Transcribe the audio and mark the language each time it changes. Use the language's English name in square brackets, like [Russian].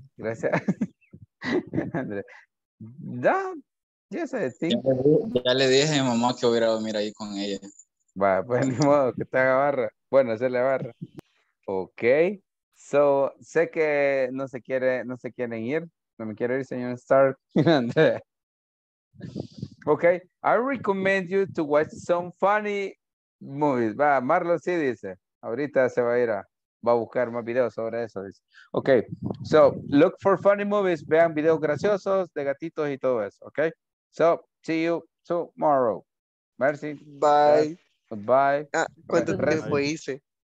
[English] Gracias. Andrea. Yes, I think. [Spanish] Ya le dije a mi mamá que hubiera dormido ahí con ella. Va, pues ni modo, que te haga barra. Bueno, se le barra. Ok. So, sé que no se quiere, no se quieren ir. No me quiere ir, señor Stark. [English] Okay, I recommend you to watch some funny movies. [Spanish] Va, Marlo sí dice. Ahorita se va a ir a, va a buscar más videos sobre eso. Dice. [English] Okay, so look for funny movies. [Spanish] Vean videos graciosos de gatitos y todo eso. [English] Okay, so see you tomorrow. Merci. Bye. Goodbye. [Spanish] Ah, ¿cuánto tiempo hice?